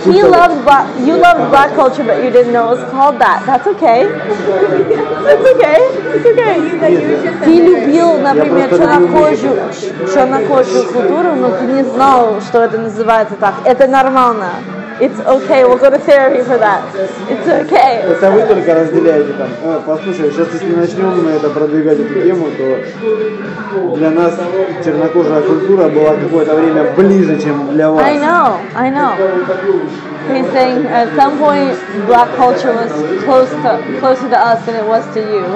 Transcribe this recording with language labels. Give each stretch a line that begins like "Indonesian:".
English: He loved you loved black culture, but you didn't know it was called that. That's okay. That's okay. It's okay.
Russian: Ты любил, например, чернокожую культуру, но ты не знал, что это называется так. Это нормально.
English: It's okay, we'll go to therapy for that. It's okay.
Russian: Это вы только разделяете там. Послушай, сейчас если начнем мы это продвигать эту тему, то для нас чернокожая культура была какое-то время ближе, чем для вас.
English: I know. He's saying at some point black culture was closer to us than it was to you.